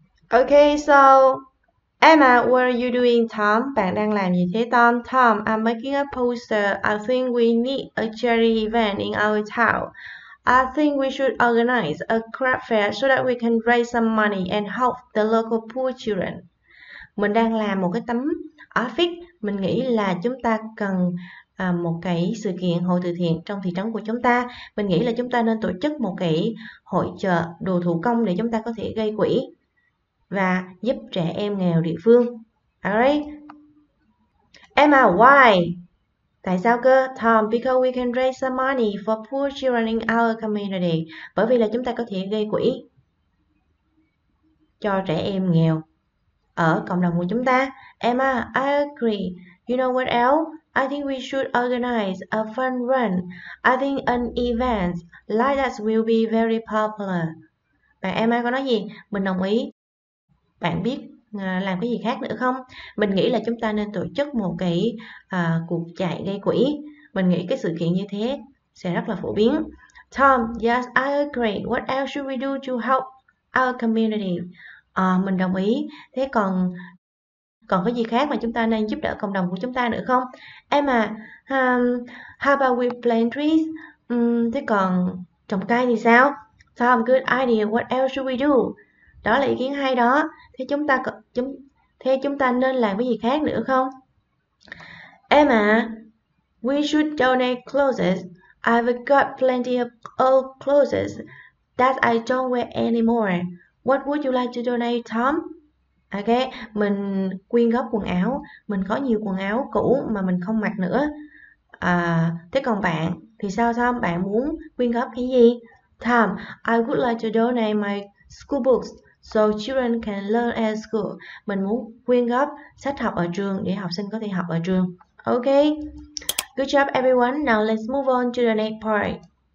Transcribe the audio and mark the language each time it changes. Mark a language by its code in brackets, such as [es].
[en] Okay, so Emma, what are you doing, Tom? [vi] Bạn đang làm gì thế, Tom? Tom, [en] I'm making a poster. I think we need a charity event in our town. I think we should organize a craft fair so that we can raise some money and help the local poor children. [vi] Mình đang làm một cái tấm affix. Mình nghĩ là chúng ta cần một cái sự kiện hội từ thiện trong thị trấn của chúng ta. Mình nghĩ là chúng ta nên tổ chức một cái hội chợ đồ thủ công để chúng ta có thể gây quỹ và giúp trẻ em nghèo địa phương. [en] Alright. Emma, why? [vi] Tại sao cơ? [en] Tom, because we can raise some money for poor children in our community. [vi] Bởi vì là chúng ta có thể gây quỹ cho trẻ em nghèo ở cộng đồng của chúng ta. [en] Emma, I agree. You know what else? I think we should organize a fun run. I think an event like that will be very popular. [vi] Bạn Emma có nói gì? Mình đồng ý. Bạn biết làm cái gì khác nữa không? Mình nghĩ là chúng ta nên tổ chức một cái cuộc chạy gây quỹ. Mình nghĩ cái sự kiện như thế sẽ rất là phổ biến. [en] Tom, yes, I agree. What else should we do to help our community? [vi] Mình đồng ý. Thế còn cái gì khác mà chúng ta nên giúp đỡ cộng đồng của chúng ta nữa không? [en] Emma, how about we plant trees? [vi] Thế còn trồng cây thì sao? [en] Tom, good idea. What else should we do? [vi] Đó là ý kiến hay đó. Thế chúng ta Thế chúng ta nên làm cái gì khác nữa không? [en] Emma, we should donate clothes. I've got plenty of old clothes that I don't wear anymore. What would you like to donate, Tom? [vi] Ok, mình quyên góp quần áo. Mình có nhiều quần áo cũ mà mình không mặc nữa. Thế còn bạn thì sao Tom? Bạn muốn quyên góp cái gì? [en] Tom, I would like to donate my school books so children can learn at school. [vi] Mình muốn quyên góp sách học ở trường để học sinh có thể học ở trường. [en] Ok, good job everyone. Now let's move on to the next part.